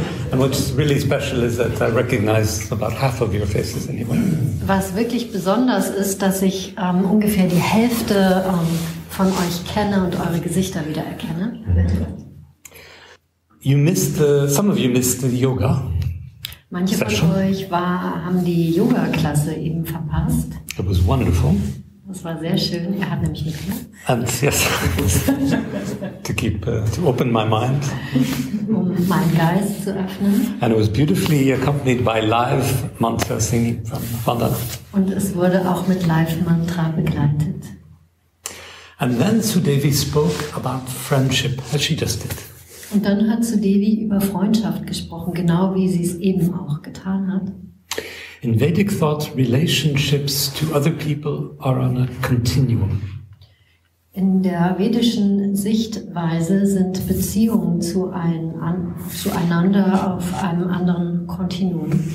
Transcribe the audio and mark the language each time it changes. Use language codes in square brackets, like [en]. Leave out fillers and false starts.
[en] And what's really special is that I recognize about half of your faces anyway. [de] Was wirklich besonders ist, dass ich ungefähr die Hälfte von euch kenne und eure Gesichter wieder erkenne. [en] You missed the, some of you missed the yoga. [de] Manche von euch haben die Yoga-Klasse eben verpasst. [en] It was wonderful. [de] Das war sehr schön. Ihr habt nämlich nicht mehr. [en] And yes, to keep to open my mind. [de] Um meinen Geist zu öffnen. [en] And it was beautifully accompanied by live mantra singing from Vandana. [de] Und es wurde auch mit live Mantra begleitet. [en] And then Sudevi spoke about friendship, as she just did. [de] Und dann hat Sudevi über Freundschaft gesprochen, genau wie sie es eben auch getan hat. [en] In Vedic thought, relationships to other people are on a continuum. [de] In der vedischen Sichtweise sind Beziehungen zueinander auf einem anderen Kontinuum.